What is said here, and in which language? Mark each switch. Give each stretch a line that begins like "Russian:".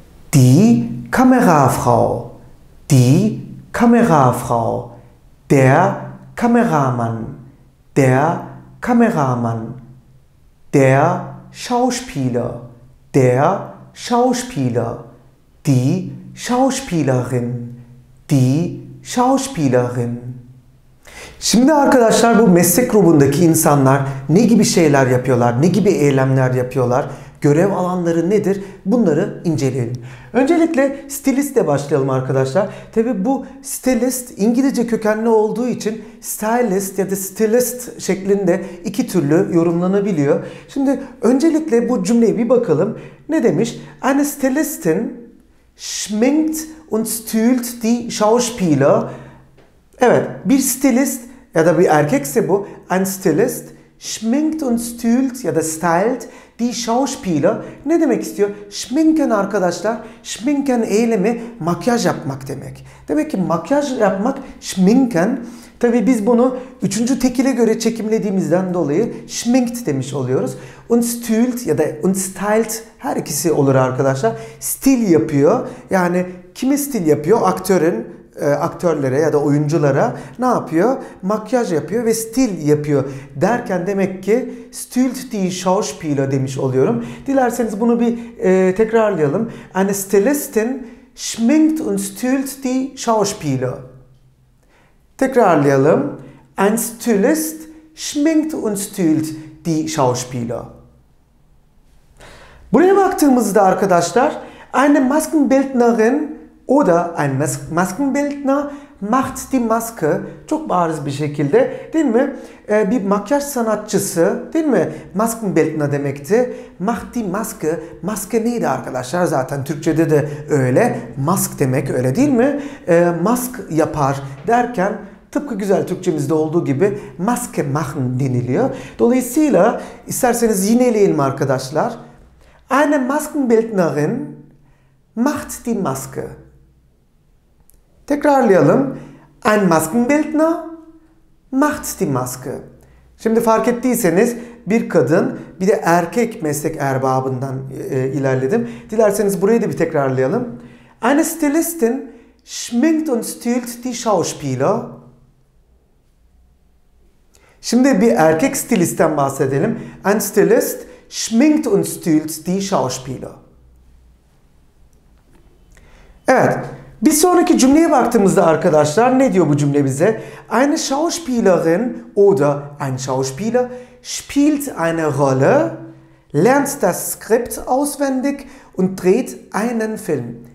German: Die Kamerafrau, die Kamerafrau, der Kameramann, der Kameramann, der Schauspieler, der Schauspieler, die Schauspielerin, die Schauspielerin.
Turkish: Şimdi arkadaşlar bu meslek grubundaki insanlar ne gibi şeyler yapıyorlar, ne gibi eylemler yapıyorlar, görev alanları nedir, bunları inceleyelim. Öncelikle stilistle başlayalım arkadaşlar. Tabii bu stilist İngilizce kökenli olduğu için stylist ya da stilist şeklinde iki türlü yorumlanabiliyor. Şimdi öncelikle bu cümleye bir bakalım. Ne demiş?
German: Eine Stylistin schminkt und stylt die Schauspieler.
Turkish: Evet, bir stilist ya da bir erkekse bu,
German: ein Stylist schminkt und stylt
Turkish: ya da
German: stylt die Schauspieler.
Turkish: Ne demek istiyor? Schminken arkadaşlar, schminken eylemi makyaj yapmak demek. Demek ki makyaj yapmak schminken. Tabii biz bunu üçüncü tekile göre çekimlediğimizden dolayı schminkt demiş oluyoruz.
German: Und stylt
Turkish: ya da
German: und stylt,
Turkish: her ikisi olur arkadaşlar. Stil yapıyor. Yani kimi stil yapıyor? Aktörün, aktörlere ya da oyunculara ne yapıyor? Makyaj yapıyor ve stil yapıyor derken demek ki
German: stylt die Schauspieler
Turkish: demiş oluyorum. Dilerseniz bunu bir tekrarlayalım.
German: Eine Stylistin schminkt und stylt die Schauspieler.
Turkish: Tekrarlayalım.
German: Ein Stylist schminkt und stylt die Schauspieler.
Turkish: Buraya baktığımızda arkadaşlar
German: eine Maskenbildnerin oder ein Maskenbildner macht die Maske,
Turkish: çok bariz bir şekilde, değil mi? Bir makyaj sanatçısı, değil mi? Maskenbildner demekti.
German: Macht die Maske,
Turkish: maske neydi arkadaşlar? Zaten Türkçede de öyle. Mask demek, öyle değil mi? Mask yapar derken tıpkı güzel Türkçemizde olduğu gibi
German: maske machen
Turkish: deniliyor. Dolayısıyla isterseniz yineleyelim arkadaşlar.
German: Eine Maskenbildnerin macht die Maske.
Turkish: Tekrarlayalım.
German: Ein Maskenbildner macht die Maske.
Turkish: Şimdi fark ettiyseniz bir kadın, bir de erkek meslek erbabından ilerledim. Dilerseniz burayı da bir tekrarlayalım.
German: Eine Stylistin schminkt und stylt die Schauspieler.
Turkish: Şimdi bir erkek stilistten bahsedelim.
German: Ein Stylist schminkt und stylt die Schauspieler.
Turkish: Evet, bir sonraki cümleye baktığımızda arkadaşlar ne diyor bu cümle bize?
German: Eine Schauspielerin oder ein Schauspieler spielt eine Rolle, lernt das Skript auswendig und dreht einen Film.